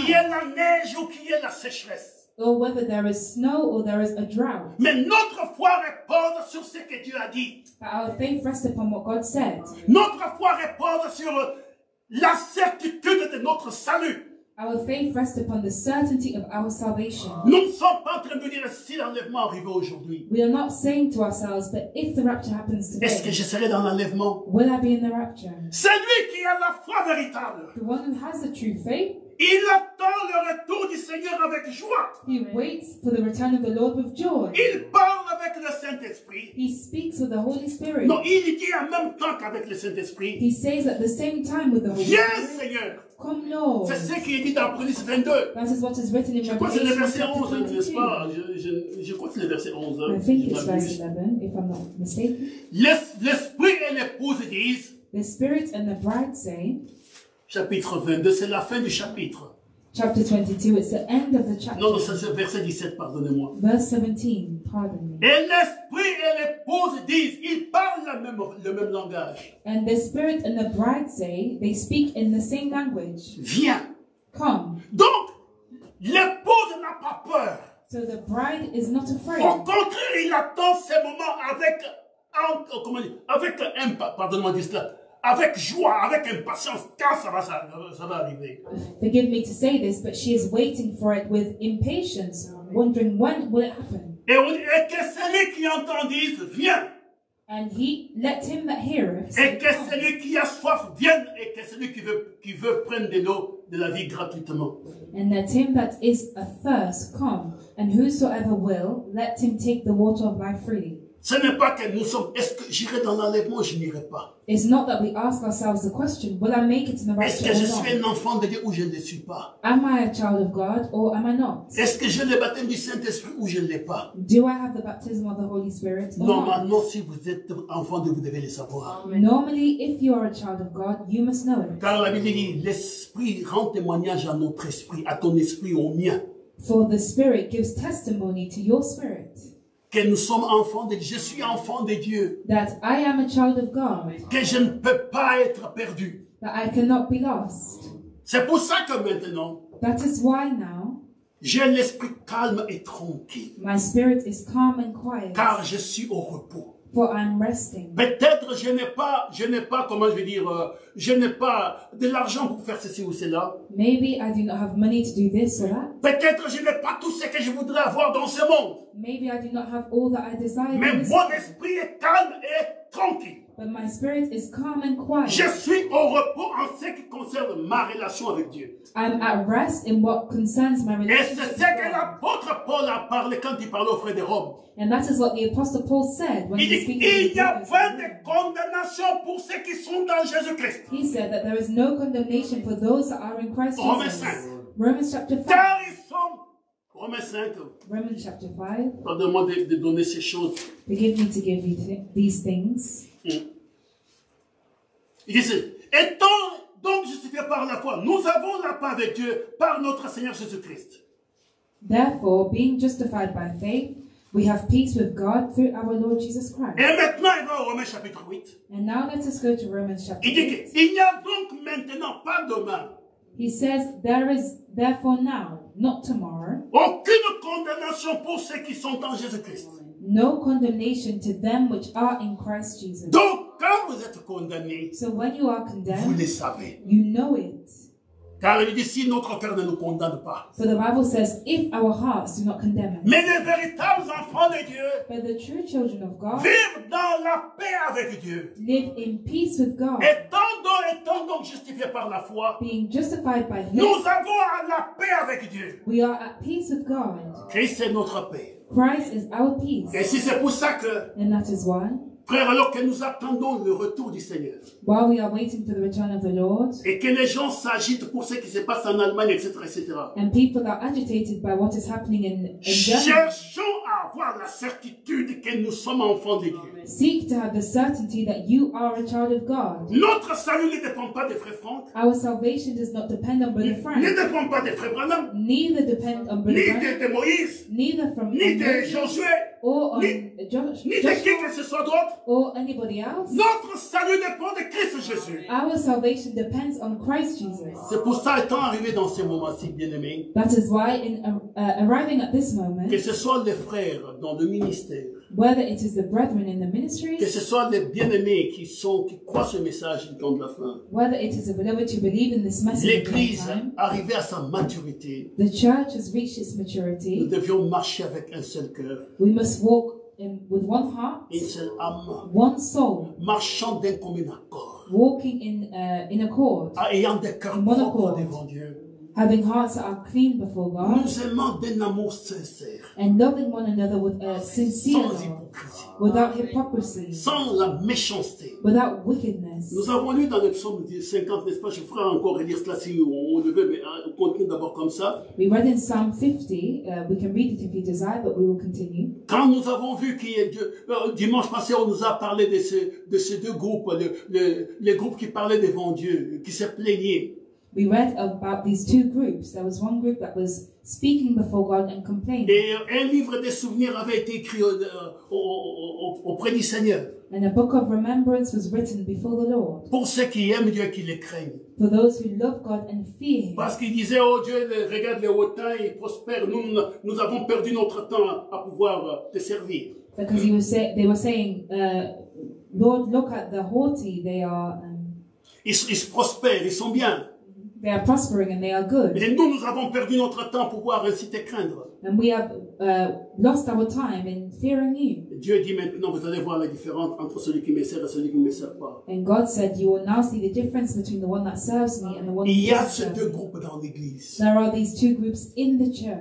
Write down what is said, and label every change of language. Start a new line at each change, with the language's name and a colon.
French: Qu'il y ait la neige ou qu'il y ait la sécheresse.
English: Or whether there is snow or there is a drought.
French: Mais notre foi repose sur ce que Dieu a dit.
English: But our faith rests upon what God said.
French: Notre foi repose sur la certitude de notre salut.
English: Our faith rests upon the certainty of our salvation.
French: Nous ne sommes pas en train de dire si l'enlèvement arrive aujourd'hui.
English: We are not saying to ourselves, but if the rapture happens today,
French: est-ce que je serai dans l'enlèvement?
English: Will I be in the rapture?
French: C'est lui qui a la foi véritable.
English: The one who has the true faith.
French: Il attend le retour du Seigneur avec joie.
English: He waits for the return of the Lord with joy.
French: Il parle avec le Saint-Esprit.
English: He speaks with the Holy Spirit.
French: Non, il dit en même temps qu'avec le Saint-Esprit.
English: He says at the same time with the Holy
French: Viens,
English: Spirit.
French: Viens, Seigneur.
English: Come, Lord.
French: C'est ce qui est dit dans Apocalypse 22.
English: That is what is written in
French: je crois que c'est le verset 11, n'est-ce pas? Je crois que c'est le verset 11.
English: I think it's verse 11, if I'm not mistaken.
French: L'Esprit et l'Épouse disent.
English: The Spirit and the Bride say.
French: Chapitre 22, c'est la fin du chapitre.
English: Chapter 22, it's the end of the chapter.
French: Non, c'est le verset 17, pardonnez-moi.
English: Verse 17, pardon me.
French: Et l'Esprit et l'Épouse disent, ils parlent le même langage.
English: And the Spirit and the Bride say, they speak in the same language.
French: Viens.
English: Come.
French: Donc, l'Épouse n'a pas peur.
English: So the Bride is not afraid.
French: Au contraire, il attend ce moment avec joie, avec impatience, car ça va arriver.
English: Forgive me to say this, but she is waiting for it with impatience, wondering when will it happen.
French: Et que celui qui entend dise, viens.
English: And he let him that heareth.
French: Et que celui qui a soif vienne, et que celui qui veut prendre de l'eau de la vie gratuitement.
English: And let him that is athirst come, and whosoever will, let him take the water of life freely.
French: Ce n'est pas que nous sommes, est-ce que j'irai dans l'enlèvement, je n'irai pas.
English: It's not that we ask ourselves the question, will I make it to the rapture?
French: Est-ce que je suis un enfant de Dieu ou je ne le suis pas?
English: Am I a child of God or am I not?
French: Est-ce que j'ai le baptême du Saint-Esprit ou je ne l'ai pas?
English: Do I have the baptism of the Holy Spirit or
French: normalement,
English: not?
French: Normalement, si vous êtes enfant de Dieu, vous devez le savoir.
English: Amen. Normally, if you are a child of God, you must know it.
French: Car la Bible dit, l'Esprit rend témoignage à notre esprit, à ton esprit, au mien.
English: For the Spirit gives testimony to your spirit.
French: Que nous sommes enfants de Dieu. Je suis enfant de Dieu.
English: That I am a child of God.
French: Que je ne peux pas être perdu.
English: That I cannot be lost.
French: C'est pour ça que maintenant.
English: That is why now.
French: J'ai l'esprit calme et tranquille.
English: My spirit is calm and quiet.
French: Car je suis au repos.
English: For I'm resting.
French: Peut-être je n'ai pas de l'argent pour faire ceci ou cela.
English: Maybe I do not have money to do this or that.
French: Peut-être je n'ai pas tout ce que je voudrais avoir dans ce monde.
English: Maybe I do not have all that I desire.
French: Mais mon esprit est calme et tranquille.
English: But my spirit is calm and quiet.
French: Je suis au repos en ce qui concerne ma relation avec Dieu.
English: I'm at rest in what concerns my relationship.
French: Et c'est ce que l'apôtre Paul a parlé quand il parlait aux frères de Rome.
English: And that is what the apostle Paul said when he speaking to the
French: Il n'y a point de condamnation pour ceux qui sont dans Jésus Christ.
English: He said that there is no condemnation for those that are in Christ Jesus.
French: Romains 5.
English: Romans chapter 5.
French: Car ils sont Romains 5.
English: Romans chapter 5.
French: Pardonne-moi de donner ces choses.
English: Forgive me to give you these things.
French: Il dit, étant donc justifié par la foi, nous avons la paix avec Dieu par notre Seigneur Jésus Christ.
English: Therefore, being justified by faith, we have peace with God through our Lord Jesus Christ.
French: Et maintenant, il va au Romains chapitre 8.
English: And now let us go to Romans chapter
French: 8. Il dit, il n'y a donc maintenant pas demain.
English: He says, there is therefore now, not tomorrow.
French: Aucune condamnation pour ceux qui sont en Jésus Christ.
English: No condemnation to them which are in Christ Jesus.
French: Donc, quand vous êtes condamnés,
English: so when you are condemned,
French: vous le savez.
English: You know it.
French: Car il dit, si notre cœur ne nous condamne pas.
English: So the Bible says, if our hearts do not condemn us.
French: Mais les véritables enfants de Dieu.
English: But the true children of God.
French: Vivent dans la paix avec Dieu.
English: Live in peace with God.
French: Étant donc justifiés par la foi.
English: Being justified by faith.
French: Nous avons la paix avec Dieu.
English: We are at peace with God.
French: Christ est notre paix.
English: Christ is our peace.
French: Et si c'est pour ça que.
English: And that is why.
French: Frère, alors que nous attendons le retour du Seigneur.
English: While we are waiting for the return of the Lord.
French: Et que les gens s'agitent pour ce qui se passe en Allemagne, etc., etc.
English: And people are agitated by what is happening in Germany.
French: Cherchons à avoir la certitude que nous sommes enfants de Dieu.
English: Seek to have the certainty that you are a child of God.
French: Notre salut ne dépend pas de frère Frank.
English: Our salvation does not depend on brother Frank.
French: Ne dépend pas de frère Branham.
English: Neither depend on brother
French: Branham. Ni de Moïse.
English: Neither from
French: ni de Josué.
English: Or on
French: ni de qui que ce soit d'autre.
English: Or anybody else.
French: Notre salut dépend de Christ Jésus.
English: Our salvation depends on Christ Jesus.
French: C'est pour ça étant arrivé dans ces moments-ci, bien-aimés.
English: That is why in arriving at this moment.
French: Que ce soit les frères dans le ministère.
English: Whether it is the brethren in the ministry.
French: Que ce soit les bien-aimés qui sont qui croient ce message du temps de la fin.
English: Whether it is the beloved who believe in this message.
French: L'Église arrivée à sa maturité.
English: The church has reached its maturity.
French: Nous devions marcher avec un seul cœur.
English: We must walk in, with one heart.
French: Une seule âme.
English: One soul.
French: Marchant d'un commun accord.
English: Walking in accord.
French: Ayant des cœurs propres devant Dieu.
English: Having hearts that are clean before God.
French: Nous aimons d'un amour sincère.
English: And loving one another with a sincere
French: love. Sans hypocrisie.
English: Without hypocrisy.
French: Sans la méchanceté.
English: Without wickedness.
French: Nous avons lu dans le psaume 50, n'est-ce pas? Je ferai encore relire cela si on le veut, mais on continue d'abord comme ça.
English: We read in Psalm 50. We can read it if you desire, but we will continue.
French: Quand nous avons vu qu'il y a Dieu, dimanche passé, on nous a parlé de ces deux groupes, les groupes qui parlaient devant Dieu, qui se plaignaient.
English: We read about these two groups. There was one group that was speaking before God and complaining.
French: Et un livre des souvenirs avait été écrit auprès du Seigneur.
English: And a book of remembrance was written before the Lord.
French: Pour ceux qui aiment Dieu, qui le craignent.
English: For those who love God and fear Him.
French: Parce qu'il disait, oh Dieu, regarde les hautains, ils prospèrent. Nous avons perdu notre temps à pouvoir te servir.
English: Because they were saying, Lord, look at the haughty. They are.
French: Ils prospèrent. Ils sont bien.
English: They are prospering and they are good.
French: Mais nous, nous avons perdu notre temps pour pouvoir ainsi te craindre.
English: And we have lost our time in fearing you.
French: Dieu dit maintenant, vous allez voir la différence entre celui qui me sert et celui qui ne me sert pas.
English: And God said, you will now see the difference between the one that serves me and the one who doesn't serve me.
French: Il y a ces deux groupes dans l'église.
English: There are these two groups in the church.